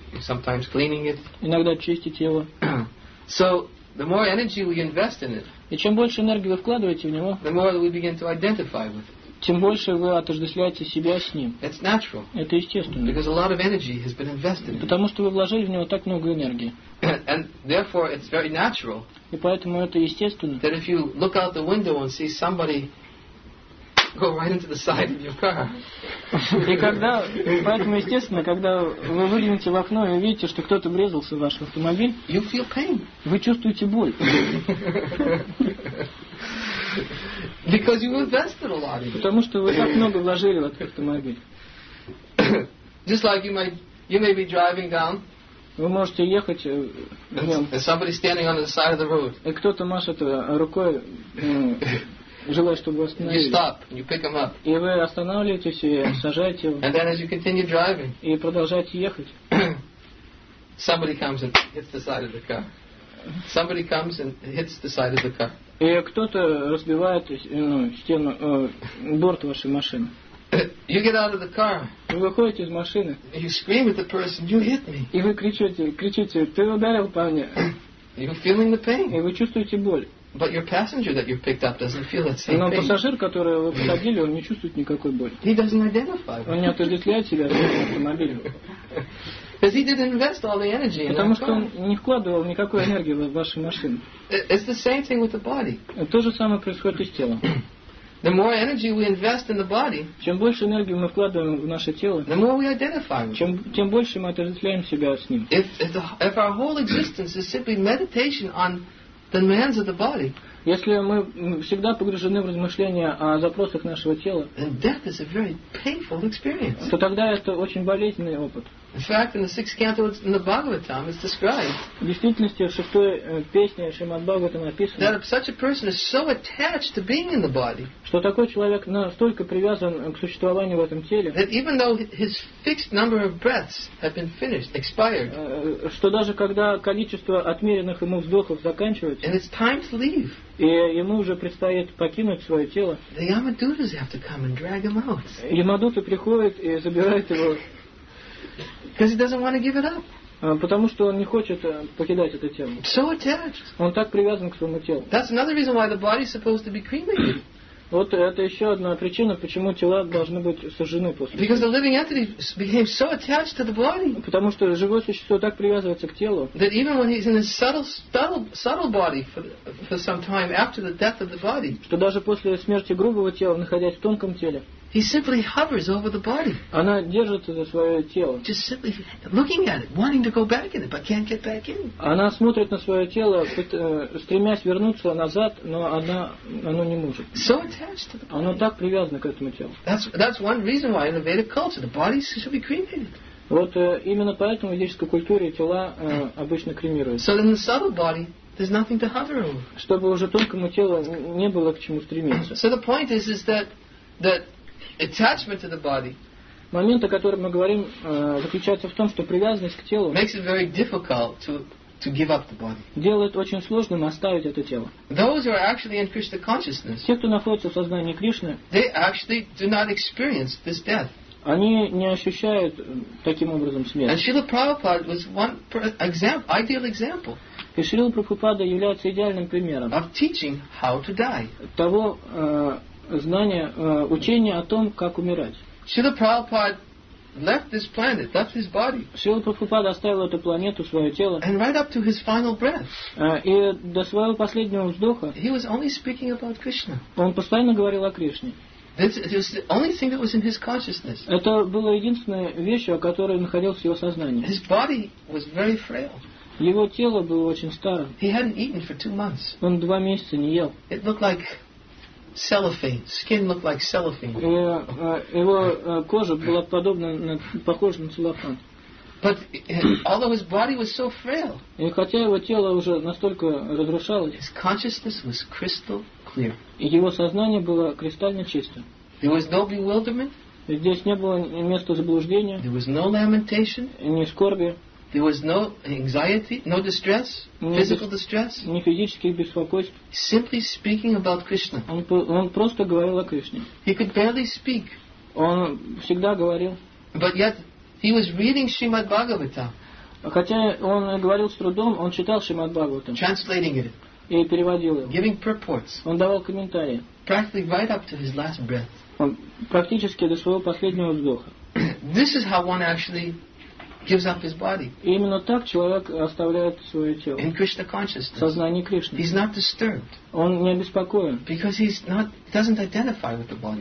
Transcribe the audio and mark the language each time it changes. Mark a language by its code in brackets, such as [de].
[en] Sometimes cleaning it. [ru] Иногда чистить его. [en] So the more energy we invest in it. [ru] И чем больше энергии вы вкладываете в него, [en] the more we begin to identify with it. [ru] Тем больше вы отождествляете себя с ним. [en] It's natural. [ru] Это естественно. [en] Because a lot of energy has been invested in. [ru] Потому что вы вложили в него так много энергии. [en] And therefore it's very natural. [ru] И поэтому это естественно. [en] That if you look out the window and see somebody go right into the side of your car. [ru] И когда, поэтому естественно, когда вы выглянете в окно и увидите, что кто-то врезался в ваш автомобиль, [en] you feel pain. [ru] Вы чувствуете боль. [en] Because you invested a lot in it. [ru] Потому что вы так много вложили в этот автомобиль. [en] Just like you may be driving down. [ru] Вы можете ехать. [en] And somebody standing on the side of the road. [ru] И кто-то машет рукой, желая, чтобы вы остановились. [en] You stop. You pick him up. [ru] И вы останавливаетесь и сажаете его. [en] And then as you continue driving. [ru] И продолжаете ехать. [en] Somebody comes and hits the side of the car. Somebody comes and hits the side of the car. [ru] И кто-то разбивает стену, борт вашей машины. [en] You get out of the car. [ru] Вы выходите из машины. [en] You scream at the person, you hit me. [ru] И вы кричите, ты ударил по мне. [en] You're feeling the pain. [ru] И вы чувствуете боль. [en] But your passenger that you picked up doesn't feel that same pain. [ru] Но пассажир, которого вы посадили, он не чувствует никакой боли. [en] He doesn't identify. [ru] Он не отождествляет себя с автомобилем. [en] Because he didn't invest all the energy in that. [ru] Потому что он не вкладывал никакой энергии в вашу машину. [en] It's the same thing with the body. [ru] То же самое происходит и с телом. [en] The more energy we invest in the body, [ru] чем больше энергии мы вкладываем в наше тело, [en] the more we identify with. [ru] Тем больше мы отождествляем себя с ним. [en] If our whole existence is simply meditation on the demands of the body. [ru] Если мы всегда погружены в размышления о запросах нашего тела, [en] death is a very painful experience. [ru] То тогда это очень болезненный опыт. [en] In fact, in the sixth canto in the Bhagavatam, it's described. [ru] В действительности, в шестой песне Шримад-Бхагаватам написано, [en] that such a person is so attached to being in the body, [ru] что такой человек настолько привязан к существованию в этом теле, [en] that even though his fixed number of breaths have been finished, expired, [ru] что даже когда количество отмеренных ему вздохов заканчивается, [en] and it's time to leave. [ru] И ему уже предстоит покинуть свое тело. [en] The Yamadutas have to come and drag him out. [ru] Ямадуты приходят и забирают его. [en] Because he doesn't want to give it up. [ru] Потому что он не хочет покидать это тело. [en] So attached. [ru] Он так привязан к своему телу. [en] That's another reason why the body is supposed to be cremated. [ru] Вот это еще одна причина, почему тела должны быть сожжены после. [en] Because the living entity became so attached to the body. [ru] Потому что живое существо так привязывается к телу. [en] That even when he's in a subtle body for some time after the death of the body. [ru] Что даже после смерти грубого тела, находясь в тонком теле. [en] He simply hovers over the body. [ru] Она держится за свое тело. [en] Just simply looking at it, wanting to go back in it, but can't get back in. [ru] Она смотрит на свое тело, стремясь вернуться назад, но оно не может. [en] So attached to the body. [ru] Оно так привязано к этому телу. [en] That's one reason why in the Vedic culture the body should be cremated. [ru] Вот именно поэтому в ведической культуре тела обычно кремируются. [en] So in the subtle body. There's nothing to hover over. [ru] Чтобы уже тонкому телу не было к чему стремиться. [en] So the point is that attachment to the body. [ru] Момент, о котором мы говорим, заключается в том, что привязанность к телу [en] makes it very difficult to give up the body. [ru] Делает очень сложным оставить это тело. [en] Those who are actually in Krishna consciousness, [ru] те, кто находится в сознании Кришны, [en] they actually do not experience this death. [ru] Они не ощущают таким образом смерть. [en] And Srila Prabhupada was one ideal example. [ru] И Шрила Прабхупада является идеальным примером [en] of teaching how to die. [ru] Того знание, учение о том, как умирать. [en] Srila Prabhupada left this planet, left his body. [ru] Srila Prabhupada оставил эту планету, свое тело. [en] And right up to his final breath. [ru] И до своего последнего вздоха. [en] He was only speaking about Krishna. [ru] Он постоянно говорил о Кришне. [en] This was the only thing that was in his consciousness. [ru] Это была единственная вещь, о которой находилось в его сознании. [en] His body was very frail. [ru] Его тело было очень старым. [en] He hadn't eaten for 2 months. [ru] Он 2 месяца не ел. [en] It looked like cellophane. Skin looked like cellophane. [ru] Его кожа была похожа на целлофан. [en] But although his body was so frail, [ru] и хотя его тело уже настолько разрушалось, [en] his consciousness was crystal clear. [ru] Его сознание было кристально чистым. [en] There was no bewilderment. [ru] Здесь не было места заблуждения. [en] There was no lamentation. [ru] Ни скорби. [en] There was no anxiety, no distress, physical distress. [ru] Ни физических беспокойств. [en] Simply speaking about Krishna. [ru] Он просто говорил о Кришне. [en] He could barely speak. [ru] Он всегда говорил. [en] But yet he was reading Srimad Bhagavatam. [ru] Хотя он говорил с трудом, он читал Шримад Бхагаватам. [en] Translating it. [ru] И переводил его. [en] Giving purports. [ru] Он давал комментарии. [en] Practically right up to his last breath. [ru] Он практически до своего последнего вздоха. [en] This is how one actually gives up his body. [ru] Именно так человек оставляет свое тело. [en] In Krishna consciousness. [ru] Сознание Кришны. [en] He's not disturbed. [ru] Он не обеспокоен. [en] Because he's not, doesn't identify with the body.